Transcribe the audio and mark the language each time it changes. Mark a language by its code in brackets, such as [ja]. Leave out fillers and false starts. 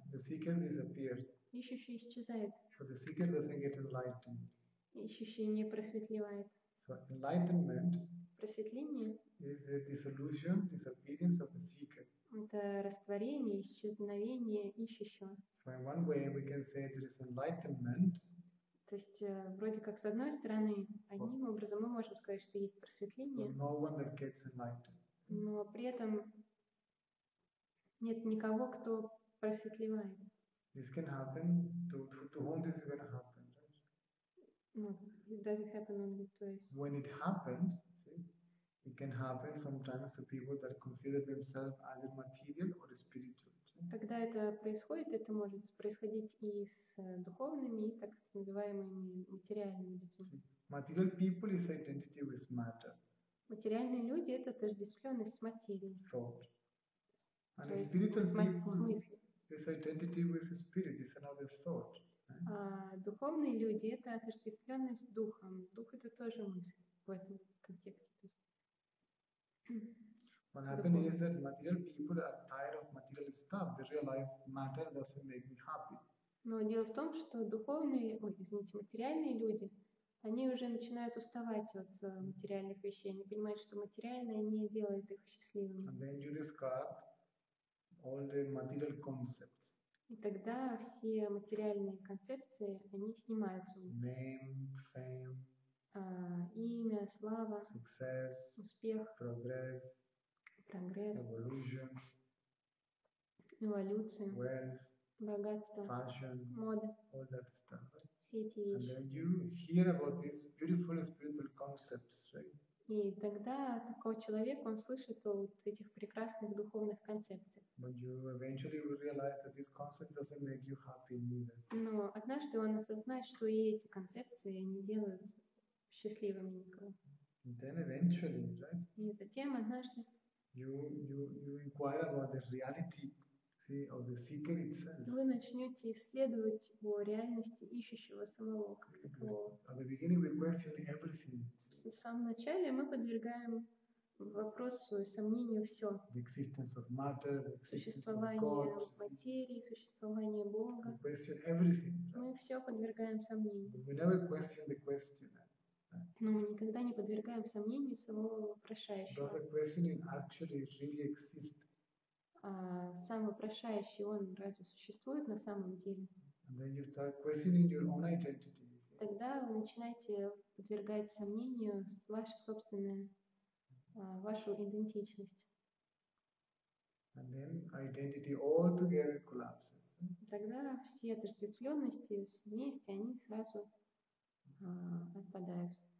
[en] The seeker disappears. [ru] Ищущий исчезает. [en] But the seeker doesn't get enlightened. [ru] Ищущий не просветливает. [en] So enlightenment [ru] просветление [en] is the dissolution, disappearance of the seeker. [ru] Это растворение, исчезновение ищущего. [en] So in one way we can say there is enlightenment. [ru] То есть, вроде как, с одной стороны, одним образом мы можем сказать, что есть просветление. [en] No one that gets enlightened. [ru] Но при этом нет никого, кто просветливает. [en] This can happen to whom this is going to happen, right? No, does it happen only twice? When it happens, see, it can happen sometimes to people that consider themselves either material or spiritual. [ru] Когда это происходит, это может происходить и с духовными, и так называемыми материальными людьми. [en] See, material people is identity with matter. [ru] Материальные люди — это тождественность с материей. [en] Thought. And [ru] то есть [en] spiritual [ru] смысле. [en] This identity with the spirit is another thought. [ru] А духовные люди — это отождествленность духом. Дух — это тоже мысль в этом контексте. [en] What happened is that material people are tired of material stuff. They realize matter doesn't make me happy. [ru] Но дело в том, что материальные люди, они уже начинают уставать от материальных вещей. Они понимают, что материальное не делает их счастливыми. [en] And then you discard all the material concepts. [ru] И тогда все материальные концепции, они снимаются. [en] Name, fame, [ru] имя, слава, [en] success, [ru] успех, [en] progress, evolution, [ru] эволюция, [en] wealth, [ru] богатство, [en] fashion, [ru] мода, [en] all that stuff. [ru] Все эти вещи. [en] And then you hear about these beautiful spiritual concepts, right? [ru] И тогда такой человек, он слышит вот этих прекрасных духовных концепций. Но однажды он осознает, что и эти концепции не делают счастливыми никого. [en] Then eventually, right? [ru] И затем однажды [en] you inquire about the reality, see, of the seeker itself. [ru] Вы начнете исследовать о реальности ищущего самого как такового. [en] At the beginning we question everything. [ru] В самом начале мы подвергаем вопросу и сомнению все. [en] The existence of matter, the existence [ru] существование [en] of God, [ru] материи, существование Бога. [en] We question everything, right? [ru] Мы все подвергаем сомнению. [en] But we never question the questioner, right? [ru] Но мы никогда не подвергаем сомнению самого вопрошающего. [en] Does the questioning actually really exist? [ru] Сам вопрошающий, он разве существует на самом деле? [en] And then you start questioning your own identity. [ru] Тогда вы начинаете подвергать сомнению вашу собственную, вашу идентичность. [en] And then identity altogether collapses. [ru] Тогда все отождествленности вместе, они сразу отпадают.